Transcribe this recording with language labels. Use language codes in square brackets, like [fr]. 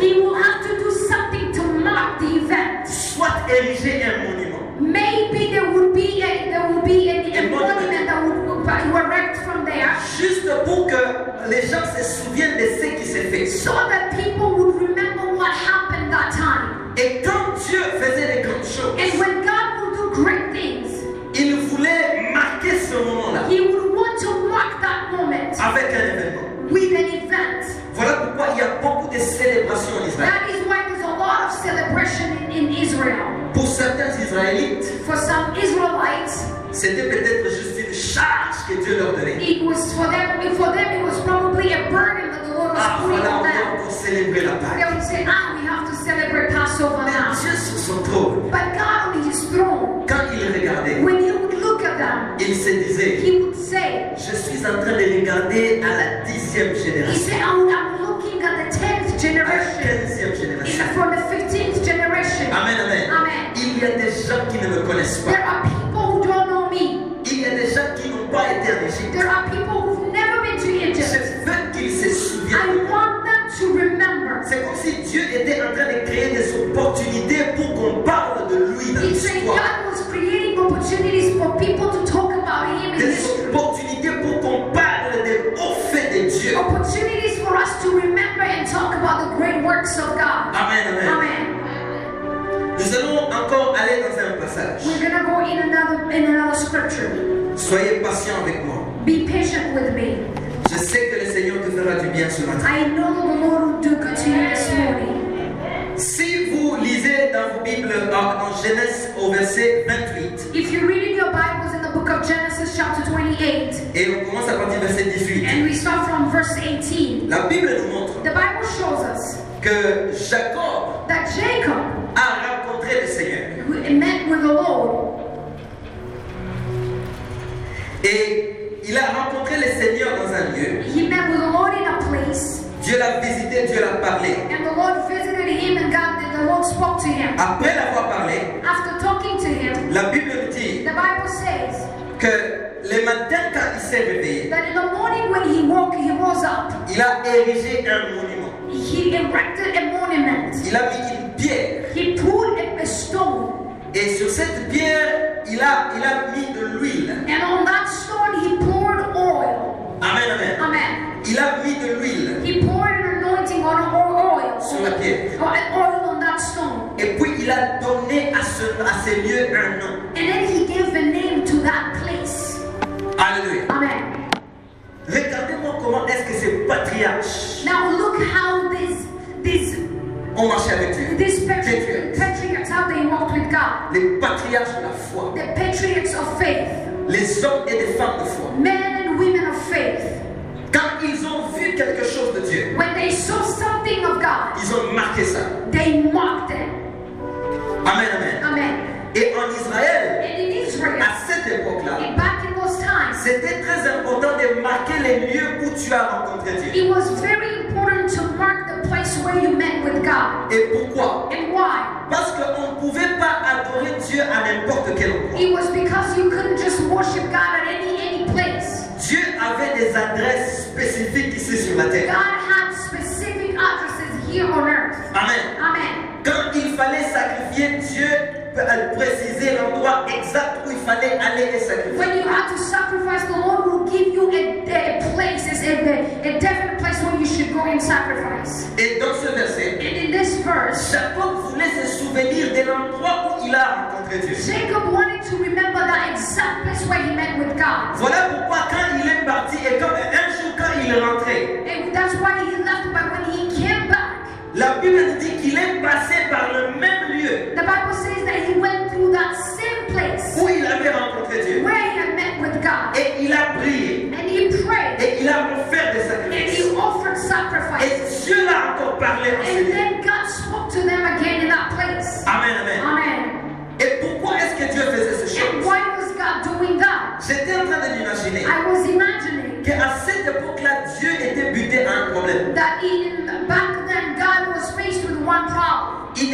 [en] He will have to do something to mark the event. [fr] Soit ériger un monument. [en] Maybe there would be a monument that would be erected from there. [fr] Juste pour que les gens se souviennent de ce qui s'est fait. [en] So that people would remember what happened that time. [fr] Et quand Dieu faisait des grandes choses. [en] And when God would do great things. [fr] Il voulait marquer ce moment-là. [en] He would want to mark that moment. [fr] Avec un événement. [en] With an event. [fr] Voilà pourquoi il y a beaucoup de célébrations en Israël. [en] That is why there's a lot of celebration in Israel. [fr] Pour certains Israélites, [en] for some Israelites, [fr] c'était peut-être juste une charge que Dieu leur donnait. [en] It was for them it was probably a burden that the Lord was putting on them. [fr] Pour célébrer la Pâque. [en] They would say, ah, we have to celebrate Passover now. [fr] Mais Dieu sur son trône. [en] But God on his throne. [fr] Quand il regardait. [en] When he would look at them. [fr] Il se disait. [en] He would say. [fr] Je suis en train de regarder à la 10e génération. [en] He said, I'm looking at the 10th generation. [fr] À la 15e génération. [en] From the 15th generation. [fr] Amen, amen. [en] Amen. [fr] Il y a des gens qui ne me connaissent pas. [en] There are people who don't know me. [fr] Il y a des gens qui n'ont pas été en Égypte. [en] There are people who've never been to Egypt. [fr] Je veux qu'ils se souviennent. [en] I want them to remember. [fr] C'est comme si Dieu était en train de créer des opportunités pour qu'on parle de lui dans l'histoire. [en] God was creating opportunities for people to talk about him in [fr] history. Des opportunités pour qu'on parle des hauts faits de Dieu. [en] Opportunities for us to remember and talk about the great works of God. [fr] Amen, amen. [en] Amen. [fr] Nous allons encore aller dans un passage. [en] We're gonna go in another scripture. [fr] Soyez patient avec moi. [en] Be patient with me. [fr] Je sais que le Seigneur te fera du bien ce matin. [en] I know that the Lord will do good to you this morning. [fr] Si vous lisez dans vos Bibles en Genèse au verset 28. [en] If you're reading your Bibles in the book of Genesis chapter 28. [fr] Et on commence à partir du verset 18. [en] And we start from verse 18. [fr] La Bible nous montre. [en] The Bible shows us. [fr] Que Jacob. [en] That Jacob. [fr] A rencontré le Seigneur. [en] He met with the Lord. [fr] Et il a rencontré le Seigneur dans un lieu. [en] He met with the Lord in a place. [fr] Dieu l'a visité, Dieu l'a parlé. [en] And the Lord visited him and God did. The Lord spoke to him. [fr] Après l'avoir parlé. [en] After talking to him. [fr] La Bible dit. [en] The Bible says. [fr] Que le matin quand il s'est réveillé. [en] That in the morning when he woke, he rose up. [fr] Il a érigé un monument. [en] He erected a monument. [fr] Il a mis une pierre. [en] He put a stone. [fr] Et sur cette pierre, il a mis de l'huile. [en] And on that stone, he poured oil. [fr] Amen, amen. [en] Amen. [fr] Il a mis de l'huile. [en] He poured an anointing on oil. [fr] Sur la pierre. [en] Or oil on that stone. [fr] Et puis il a donné à ce lieu un nom. [en] And then he gave a name to that place. [fr] Alléluia. [en] Amen. [fr] Regardez-moi comment est-ce que ce patriarche. [en] Now look how this. [fr] On marchait avec Dieu. [en] This patriarchs, how they walked with God. [fr] Les patriarches de la foi. [en] The patriarchs of faith. [fr] Les hommes et les femmes de foi. [en] Men and women of faith. [fr] Quand ils ont vu quelque chose de Dieu. [en] When they saw something of God. [fr] Ils ont marqué ça. [en] They marked it. [fr] Amen, amen. [en] Amen. [fr] Et en Israël. [en] And in Israel. [fr] À cette époque-là. [en] Back in those times. [fr] C'était très important de marquer les lieux où tu as rencontré Dieu. [en] It was very important to mark the place where you met with God. [fr] Et pourquoi? [en] And why? [fr] Parce qu'on ne pouvait pas adorer Dieu à n'importe quel endroit. [en] It was because you couldn't just worship God at any place. [fr] Dieu avait des adresses spécifiques ici sur la terre. [en] God had specific addresses here on earth. [fr] Amen. [en] Amen. [fr] Quand il fallait sacrifier, Dieu précisait l'endroit exact où il fallait aller et sacrifier. [en] When you had to sacrifice, the Lord will give you a place, a definite place where you should go and sacrifice. [fr] Et dans ce verset, [en] and in this verse, [fr] Jacob voulait se souvenir de l'endroit où il a rencontré Dieu. [en] Jacob wanted to remember that exact place where he met with God. [fr] Voilà pourquoi quand il est parti et comme un jour quand il est rentré. [en] And that's why he left, but when he came back. [fr] La Bible dit qu'il est passé par le même lieu. [en] The Bible says that he went through that same place. [fr] Où il avait rencontré Dieu. [en] Where he had met with God. [fr] Et il a prié. [en] And he prayed. [fr] Et il a offert des sacrifices. [en] And he offered sacrifices. [fr] Et Dieu l'a encore parlé. [en] And then God spoke to them again in that place. [fr] Amen, amen. [en] Amen. [fr] Et pourquoi est-ce que Dieu faisait ces choses? [en] And why was God doing that? [fr] J'étais en train de l'imaginer. [en] I was imagining. [fr] Que à cette époque-là, Dieu était buté à un problème. [en] That in back then God was faced with one problem.